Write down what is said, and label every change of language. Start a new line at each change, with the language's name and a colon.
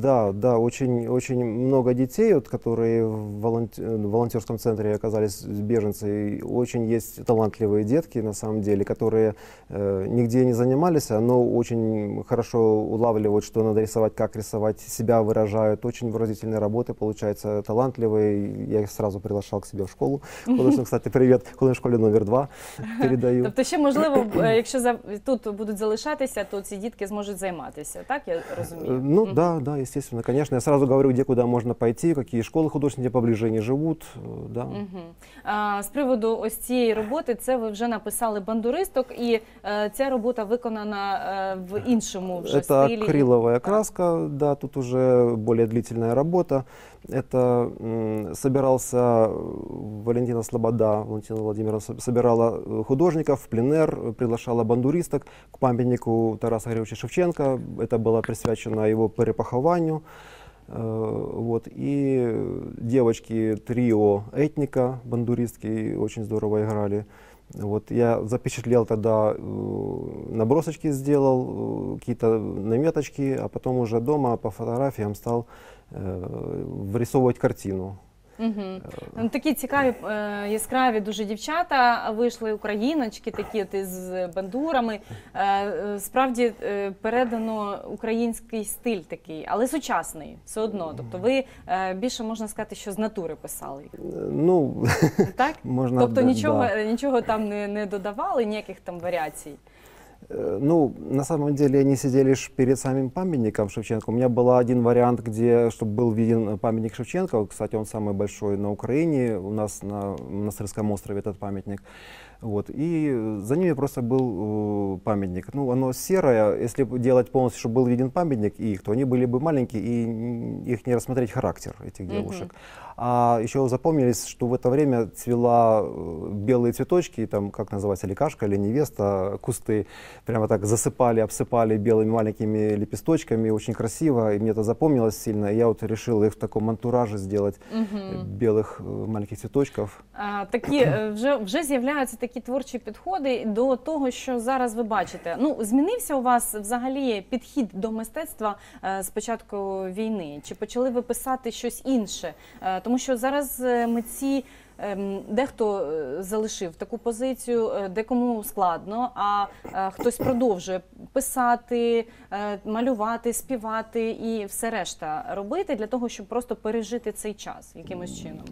Russian: Ну, да, очень, очень много дітей, от, которые
Ukrainian: в волонтерському центрі
Russian: оказались беженцы,
Ukrainian: і очень є талантливі дітки,
Russian: на самом деле, которые нигде не занимались, но очень хорошо улавливают, что надо рисовать, как рисовать, себя выражают. Очень выразительные работы получаются, талантливые. Я их сразу приглашал к себе в школу. Кстати, привет, художественной школе номер 2 передаю.
Ukrainian: Тобто ще, можливо, якщо тут будуть залишатися, то ці дітки зможуть займатися, так, я розумію?
Russian: Ну, да, естественно, конечно. Я сразу говорю,
Ukrainian: де куди можна
Russian: пойти,
Ukrainian: які школи художні,
Russian: де поближе не живуть. Да.
Ukrainian: З приводу ось цієї роботи, це ви вже написали «Бандуристок», і ця робота виконана в іншому вже стилі. Це акрилова краска, да, тут уже більш длительна робота.
Russian: Это собирался Валентина Слобода, Валентина Владимировна собирала художников, пленэр, приглашала бандуристок к памятнику Тараса Григорьевича Шевченко. Это было
Ukrainian: присвячено
Russian: его перепахованию. Вот. И девочки, трио этника, бандуристки, очень здорово играли. Вот я запечатлел тогда, набросочки сделал, какие-то наметочки, а потом уже дома по фотографиям стал
Ukrainian: вирисовувати
Russian: картину. Угу.
Ukrainian: Такі цікаві, яскраві дуже дівчата вийшли, україночки такі, з бандурами. Справді передано український стиль такий, але сучасний все одно. Тобто ви більше, можна сказати, що з натури писали. Ну, так? Можна, тобто нічого там не додавали, ніяких там варіацій.
Russian: Ну, на самом деле, они сидели лишь перед самим памятником Шевченко. У меня был один вариант, где, чтобы был виден памятник Шевченко. Кстати, он самый большой на Украине, у нас на Монастырском острове этот памятник. Вот. И за ними просто был памятник. Ну, оно серое. Если делать полностью, чтобы был виден памятник их, то они были бы маленькие, и их не рассмотреть характер этих девушек. А еще запомнились, что в это время цвела белые цветочки, там, как называется, ликашка или невеста, кусты прямо так засыпали, обсыпали белыми маленькими лепесточками, очень красиво, и мне это запомнилось сильно, и я вот решил их в таком антураже сделать, белых маленьких цветочков.
Ukrainian: Такие, вже з'являються такі творчі підходи до того, що зараз ви бачите. Ну, змінився у вас взагалі підхід до мистецтва з початку війни? Чи почали ви писати щось інше? Тому що зараз митці дехто залишив таку позицію, декому складно, а хтось продовжує писати, малювати, співати і все решта робити для того, щоб просто пережити цей час якимось чином.